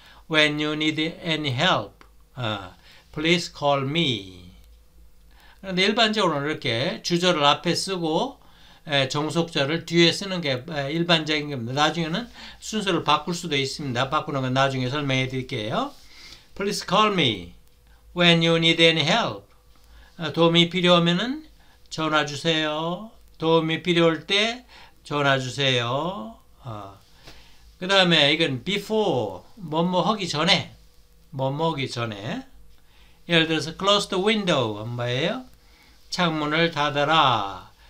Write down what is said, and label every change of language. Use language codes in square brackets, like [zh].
[en] When you need any help. Please call me. [ko] 그런데 일반적으로는 이렇게 주절을 앞에 쓰고 정속절을 뒤에 쓰는 게 일반적인 겁니다. 나중에는 순서를 바꿀 수도 있습니다. 바꾸는 건 나중에 설명해 드릴게요. [en] Please call me when you need any help. [ko] 도움이 필요하면은 전화 주세요. 도움이 필요할 때 전화 주세요. 그 다음에 이건 before, 뭐뭐 하기 전에, 뭐뭐 하기 전에. 예를 들어서 [en] close the window, [ko] 뭐예요? 창문을 닫아라.